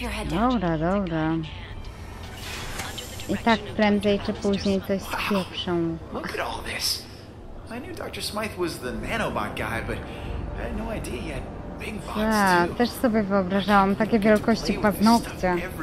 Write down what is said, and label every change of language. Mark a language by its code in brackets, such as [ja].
[pl] Dobra, dobra. I tak prędzej czy później coś spieprzą. [en] Look at all this. I knew Dr. Smythe was the nanobot guy, but I had no idea yet. [pl] Ja też sobie wyobrażałam takie wielkości paznokcia.